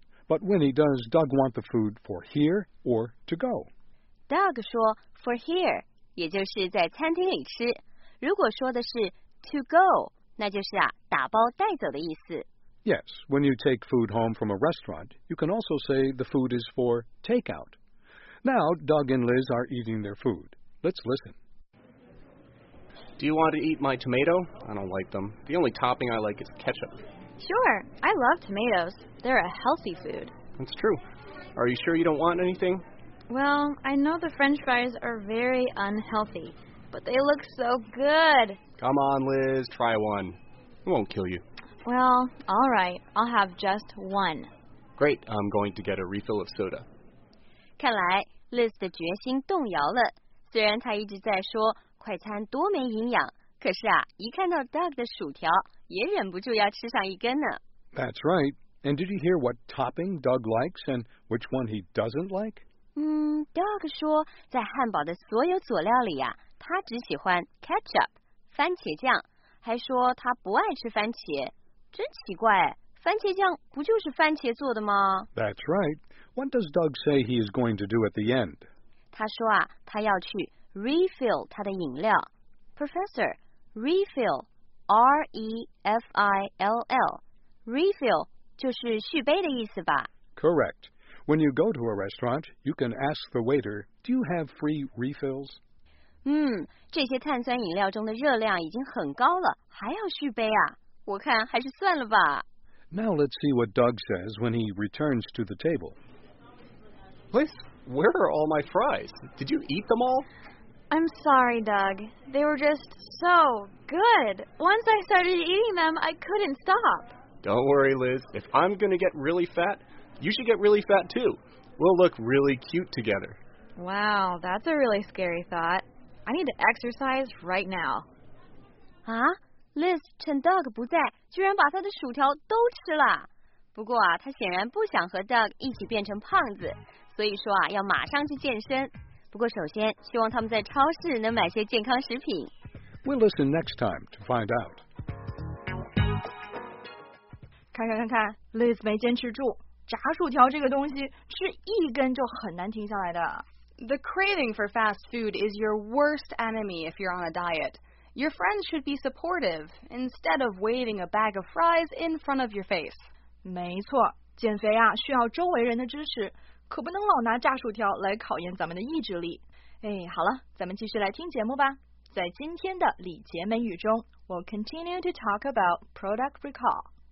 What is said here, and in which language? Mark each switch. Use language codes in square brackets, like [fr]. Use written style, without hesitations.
[en] But Winnie, does Doug want the food for here or to go? [zh] Doug 说 , [en] for here, [zh] 也就是在餐厅里吃。如果说的是 [en] to go, [zh] 那就是啊打包带走的意思。 [en] Yes, when you take food home from a restaurant, you can also say the food is for takeout. Now, Doug and Liz are eating their food. Let's listen. Do you want to eat my tomato? I don't like them. The only topping I like is ketchup. Sure, I love tomatoes. They're a healthy food. That's true. Are you sure you don't want anything? Well, I know the French fries are very unhealthy, but they look so good. Come on, Liz, try one. It won't kill you. Well, all right, I'll have just one. Great, I'm going to get a refill of soda. [zh] 看来 Liz 的决心动摇了。虽然他一直在说快餐多没营养，可是啊，一看到 Doug 的薯条，也忍不住要吃上一根呢。 [en] That's right. And did you hear what topping Doug likes and which one he doesn't like? Doug 说在汉堡的所有佐料里啊，他只喜欢 ketchup 番茄酱，还说他不爱吃番茄。真奇怪，番茄酱不就是番茄做的吗？ That's right. What does Doug say he is going to do at the end? [zh] 他说啊，他要去 refill 他的饮料。 [en] Professor, refill, R-E-F-I-L-L. [zh] Refill 就是续杯的意思吧？ [en] Correct. When you go to a restaurant, you can ask the waiter, do you have free refills? [zh] 这些碳酸饮料中的热量已经很高了，还要续杯啊？我看还是算了吧。 [en] Now let's see what Doug says when he returns to the table. Liz, where are all my fries? Did you eat them all? I'm sorry, Doug. They were just so good. Once I started eating them, I couldn't stop. Don't worry, Liz. If I'm going to get really fat, you should get really fat too. We'll look really cute together. Wow, that's a really scary thought. I need to exercise right now. [zh] Huh? Liz 趁 Doug 不在，居然把他的薯条都吃了。不过啊，他显然不想和 Doug 一起变成胖子，所以说啊，要马上去健身。不过首先，希望他们在超市能买些健康食品。 [en] We'll listen next time to find out. [zh] 看 ，Liz 没坚持住，炸薯条这个东西吃一根就很难停下来的。 [en] The craving for fast food is your worst enemy if you're on a diet. Your friends should be supportive instead of waving a bag of fries in front of your face. [zh] 没错，减肥啊需要周围人的支持，可不能老拿炸薯条来考验咱们的意志力。哎，好了，咱们继续来听节目吧。在今天的礼节美语中， [en] we'll continue to talk about product recall.